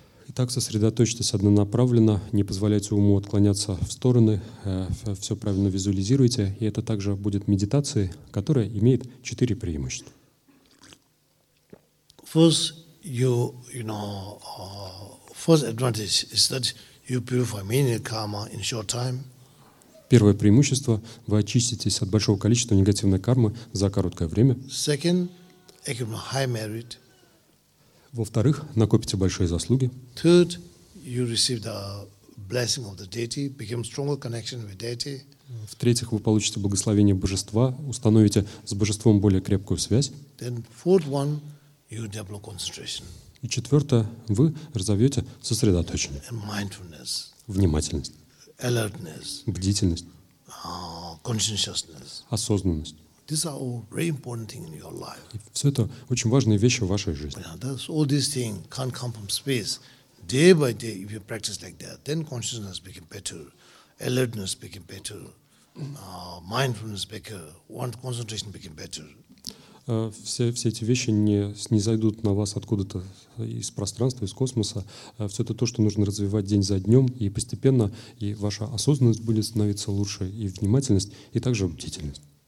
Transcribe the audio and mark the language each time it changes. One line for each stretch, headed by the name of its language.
Russian: Итак, сосредоточьтесь однонаправленно, не позволяйте уму отклоняться в стороны, все правильно визуализируйте, и это также будет медитацией, которая имеет четыре преимущества.
English: First, you know, first advantage is that you purify many karma in short time.
Russian: Первое преимущество – вы очиститесь от большого количества негативной кармы за короткое время.
English: Second, accumulate high merit.
Russian: Во-вторых, накопите большие заслуги.
English: Third, you receive the blessing of the deity, become stronger connection with deity.
Russian: В-третьих, вы получите благословение божества, установите с божеством более крепкую связь.
English: Then fourth one, you develop concentration.
Russian: И четвертое, вы разовьете сосредоточение.
English: And mindfulness.
Russian: Внимательность.
English: Alertness.
Russian: Бдительность.
English: Consciousness.
Russian: Осознанность.
English: These are all very important things in your life.
Russian: Все это очень важные вещи в вашей жизни.
English: All these things can't come from space. Day by day, if you practice like that, then consciousness becomes better, alertness becomes better, mindfulness becomes better, one concentration becomes better.
Russian: все эти вещи не зайдут на вас откуда-то из пространства, из космоса. Все это то, что нужно развивать день за днем, и постепенно и ваша осознанность будет становиться лучше, и внимательность, и также бдительность.